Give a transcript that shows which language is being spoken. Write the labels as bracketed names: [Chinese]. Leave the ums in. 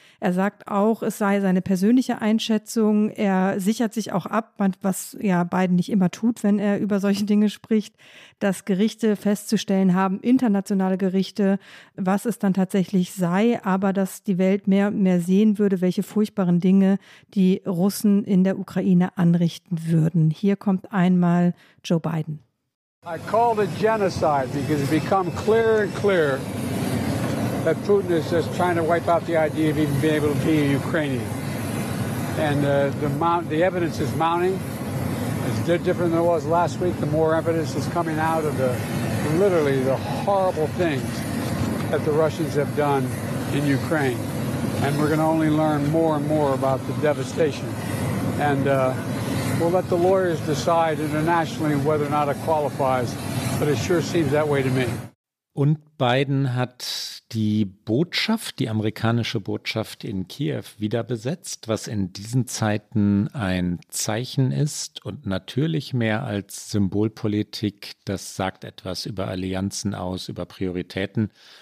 [German] Er sagt auch, es sei seine persönliche Einschätzung. Er sichert sich auch ab, was ja Biden nicht immer tut, wenn er über solche Dinge spricht, dass Gerichte festzustellen haben, internationale Gerichte, was es dann tatsächlich sei, aber dass die Welt mehr und mehr sehen würde, welche furchtbaren Dinge die Russen in der Ukraine anrichten würden. Hier kommt einmal Joe Biden. [English] I call it genocide because it become clearer and clearer. that Putin is just trying to wipe out the idea of even being able to be a Ukrainian. And uh, the, amount, the evidence is mounting. It's different than it was last week. The more evidence is coming out of the literally the horrible things that the Russians have done in Ukraine. And we're going to only learn more and more about the devastation. And uh, we'll let the lawyers decide internationally whether or not it qualifies. But it sure seems that way to me. [German] Und Biden hat die Botschaft, die amerikanische Botschaft in Kiew wieder besetzt, was in diesen Zeiten ein Zeichen ist und natürlich mehr als Symbolpolitik. Das sagt etwas über Allianzen aus, über Prioritäten.